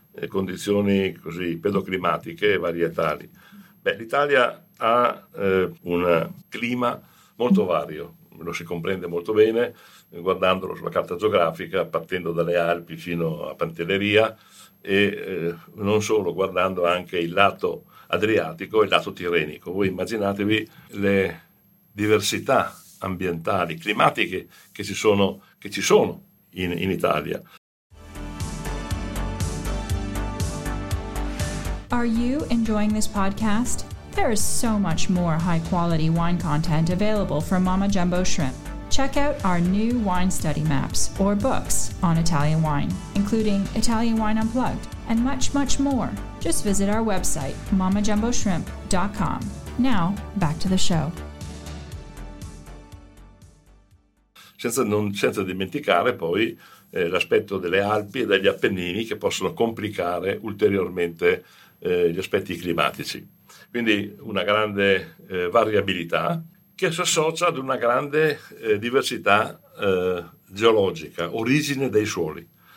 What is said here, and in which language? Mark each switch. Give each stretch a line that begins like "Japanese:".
Italian: condizioni così pedoclimatiche e varietali. Beh, l'Italia ha un clima molto vario, lo si comprende molto bene guardandolo sulla carta geografica, partendo dalle Alpi fino a Pantelleria e non solo, guardando anche il lato adriatico e il lato tirrenico. Voi immaginatevi le diversità ambientali, climatiche che ci sono in Italia.
English: Are you enjoying this podcast? There is so much more high-quality wine content available from Mama Jumbo Shrimp. Check out our new wine study maps, or books, on Italian wine, including Italian Wine Unplugged, and much, much more. Just visit our website, mamajumboshrimp.com. Now, back to the show.
Italian: Senza dimenticare poi l'aspetto delle Alpi e degli Appennini che possono complicare ulteriormente gli aspetti climatici. Quindi una grande variabilità che si associa ad una grande diversità geologica, origine dei suoli.